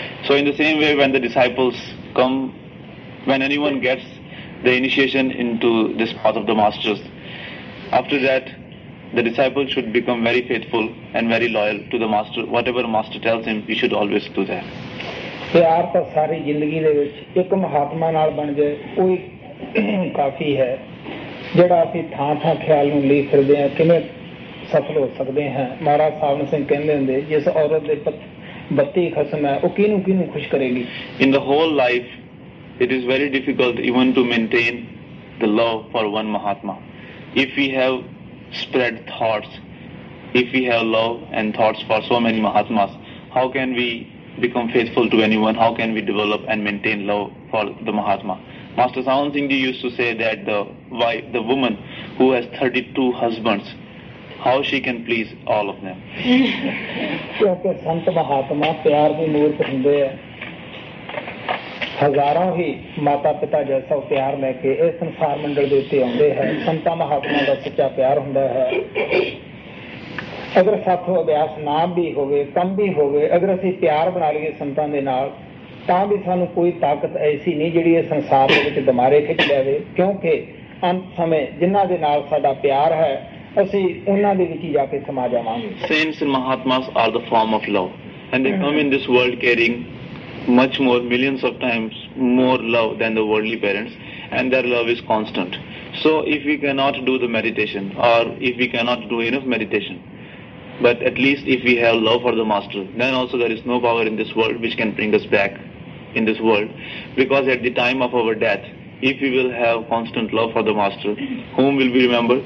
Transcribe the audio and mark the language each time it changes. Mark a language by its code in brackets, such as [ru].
[en] So in the same way, when the disciples come, when anyone gets the initiation into this path of the masters, after that the disciple should become very faithful and very loyal to the master. Whatever master tells him, he should always do that. [pa] ਪਿਆਰ ਤਾਂ ਸਾਰੀ ਜ਼ਿੰਦਗੀ ਦੇ ਵਿੱਚ ਇੱਕ ਮਹਾਤਮਾ ਨਾਲ ਬਣ ਜਾਏ ਉਹ ਹੀ ਕਾਫੀ ਹੈ। ਜਿਹੜਾ ਅਸੀਂ ਥਾਂ ਥਾਂ ਖਿਆਲ ਨੂੰ ਲੀ ਫਿਰਦੇ ਹਾਂ ਕਿਵੇਂ ਸਫਲ ਹੋ ਸਕਦੇ ਹਾਂ। ਮਹਾਰਾਜ ਸਾਵਨ ਸਿੰਘ ਕਹਿੰਦੇ ਹੁੰਦੇ ਜਿਸ ਔਰਤ ਦੇ 32 ਖਸਮ ਹੈ ਉਹ ਕਿਹਨੂੰ ਖੁਸ਼ ਕਰੇਗੀ। [en] In the whole life it is very difficult even to maintain the love for one Mahatma. If you have spread thoughts, if we have love and thoughts for so many Mahatmas, how can we become faithful to anyone? How can we develop and maintain love for the Mahatma? Master Sawan Singh Ji used to say that the wife, the woman who has 32 husbands, how she can please all of them? [pa] Because Sant Mahatma pyar di moorti hunde hai, ਹਜ਼ਾਰਾਂ ਹੀ ਮਾਤਾ ਪਿਤਾ ਜੈਸਾ ਪਿਆਰ ਲੈ ਕੇ ਇਸ ਸੰਸਾਰ ਮੰਡਲ ਦੇ ਉੱਤੇ ਆਉਂਦੇ ਹੈ। ਸੰਤਾਂ ਮਹਾਤਮਾ ਦਾ ਸੱਚਾ ਪਿਆਰ ਹੁੰਦਾ ਹੈ। ਅਗਰ ਸਾਥੋਂ ਅਭਿਆਸ ਨਾਮ ਵੀ ਹੋਵੇ, ਕੰਮ ਵੀ ਹੋਵੇ, ਅਗਰ ਅਸੀਂ ਪਿਆਰ ਬਣਾ ਲਈਏ ਸੰਤਾਂ ਦੇ ਨਾਲ, ਤਾਂ ਵੀ ਸਾਨੂੰ ਕੋਈ ਤਾਕਤ ਐਸੀ ਨਹੀਂ ਜਿਹੜੀ ਇਹ ਸੰਸਾਰ ਦੇ ਵਿੱਚ ਦਮਾਰੇ ਖਿੱਚ ਲਵੇ, ਕਿਉਂਕਿ ਅੰਤ ਸਮੇਂ ਜਿਨ੍ਹਾਂ ਦੇ ਨਾਲ ਸਾਡਾ ਪਿਆਰ ਹੈ ਅਸੀਂ ਉਹਨਾਂ ਦੇ ਵਿੱਚ ਹੀ ਜਾ ਕੇ ਸਮਾ ਜਾਵਾਂਗੇ। [en] Saints and Mahatmas are the form of love and they come in this world caring much more, millions of times more love than the worldly parents, and their love is constant. So if we cannot do the meditation, or if we cannot do enough meditation, but at least if we have love for the master, then also there is no power in this world which can bring us back in this world, because at the time of our death, if we will have constant love for the master, whom will we remember?